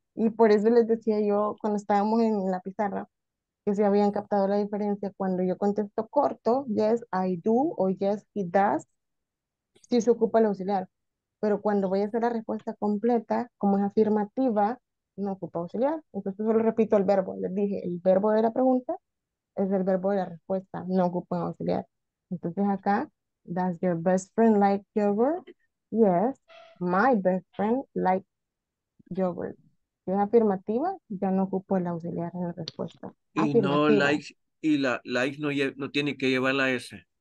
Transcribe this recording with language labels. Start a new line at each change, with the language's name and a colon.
Spanish: Y por eso les decía yo cuando estábamos en la pizarra. Que si habían captado la diferencia, cuando yo contesto corto, yes, I do, o yes, he does, sí se ocupa el auxiliar. Pero cuando voy a hacer la respuesta completa, como es afirmativa, no ocupa auxiliar. Entonces solo repito el verbo. Les dije, el verbo de la pregunta es el verbo de la respuesta, no ocupa auxiliar.
English: Entonces acá, does your best friend like yogurt? Yes, my best friend like yogurt.
Spanish: Es afirmativa, ya no ocupo el auxiliar en la respuesta. Y no like, y la like no tiene que llevar la S.